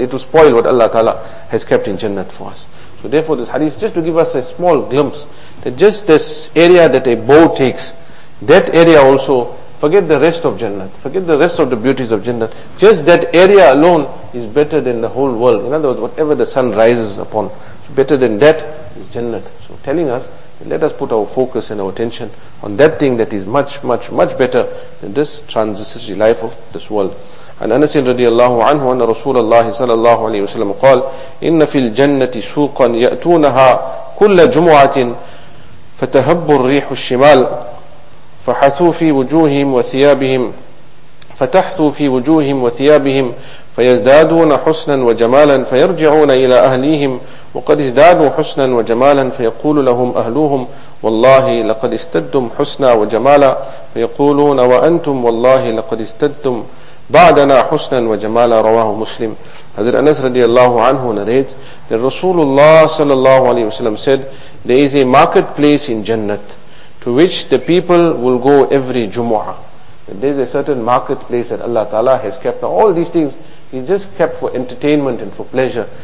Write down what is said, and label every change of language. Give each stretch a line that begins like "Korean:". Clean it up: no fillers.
English: It will spoil what Allah Ta'ala has kept in Jannat for us. So therefore this hadith, just to give us a small glimpse, that just this area that a bow takes, that area also, forget the rest of Jannat, forget the rest of the beauties of Jannat, just that area alone is better than the whole world. In other words, whatever the sun rises upon, better than that is Jannat. So telling us, let us put our focus and our attention on that thing that is much, much, much better than this transitory life of this world.
Arabic: عن أنس رضي الله عنه أن رسول الله صلى الله عليه وسلم قال إن في الجنة سوقا يأتونها كل جمعة فتهب الريح الشمال فحثوا في وجوههم وثيابهم فتحثوا في وجوههم وثيابهم فيزدادون حسنا وجمالا فيرجعون إلى أهليهم وقد ازدادوا حسنا وجمالا فيقول لهم أهلهم والله لقد استدتم حسنا وجمالا فيقولون وأنتم والله لقد استدتم بعدنا حسنا وجمالا رواه مسلم.
English: Hazrat Anas radiallahu anhu narrates that Rasulullah sallallahu alayhi wa sallam said, there is a marketplace in Jannat to which the people will go every Jumu'ah. There is a certain marketplace that Allah Ta'ala has kept. Now all these things is just kept for entertainment and for pleasure.